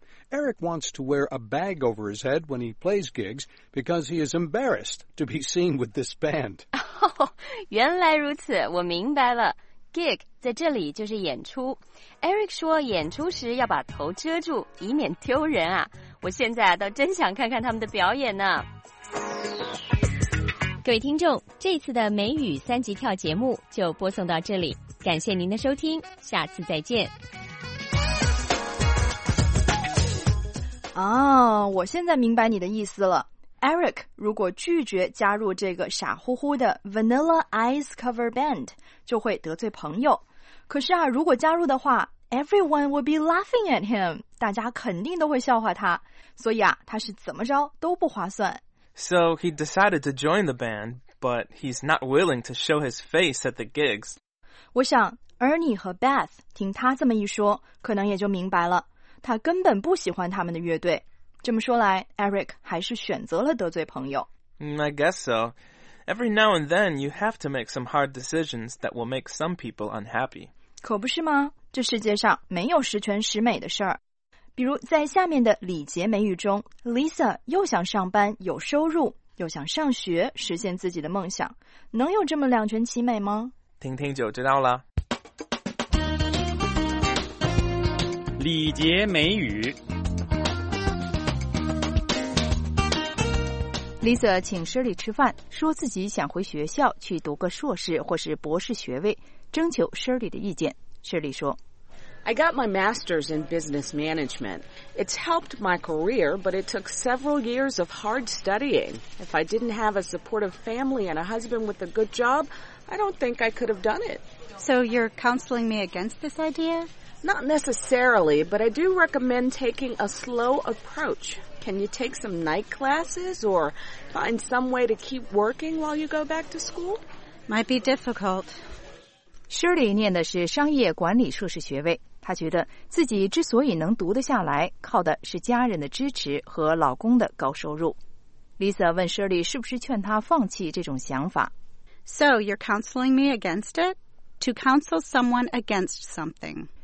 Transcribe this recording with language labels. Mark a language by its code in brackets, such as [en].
[en] Eric wants to wear a bag over his head when he plays gigs because he is embarrassed to be seen with this band. [zh] Oh, 原来如此,我明白了。Gig 在这里就是演出。 Eric 说演出时要把头遮住,以免丢人啊。我现在倒真想看看他们的表演呢。各位听众，这次的美语三级跳节目就播送到这里，感谢您的收听，下次再见。哦，我现在明白你的意思了。 Eric 如果拒绝加入这个傻乎乎的 Vanilla Ice Cover Band， 就会得罪朋友。可是啊，如果加入的话 ， [en] Everyone would be laughing at him， [zh] 大家肯定都会笑话他。所以啊，他是怎么着都不划算。 [en] So he decided to join the band, but he's not willing to show his face at the gigs. [zh] 我想 Ernie 和 Beth 听他这么一说，可能也就明白了，他根本不喜欢他们的乐队。这么说来 ，Eric 还是选择了得罪朋友。 [en] I guess so. Every now and then, you have to make some hard decisions that will make some people unhappy. [zh] 可不是吗？这世界上没有十全十美的事儿。比如在下面的礼节美语中 ，Lisa 又想上班有收入，又想上学实现自己的梦想，能有这么两全其美吗？听听就知道了。礼节美语，Lisa 请 Shirley 吃饭，说自己想回学校去读个硕士或是博士学位，征求 Shirley 的意见。Shirley 说。 [en] I got my master's in business management. It's helped my career, but it took several years of hard studying. If I didn't have a supportive family and a husband with a good job, I don't think I could have done it. So you're counseling me against this idea? Not necessarily, but I do recommend taking a slow approach. Can you take some night classes or find some way to keep working while you go back to school? Might be difficult. [zh] Shirley 念的是商业管理硕士学位，她觉得自己之所以能读得下来，靠的是家人的支持和老公的高收入。 Lisa 问 Shirley 是不是劝她放弃这种想法。 [en] So you're counseling me against it? To counsel someone against something.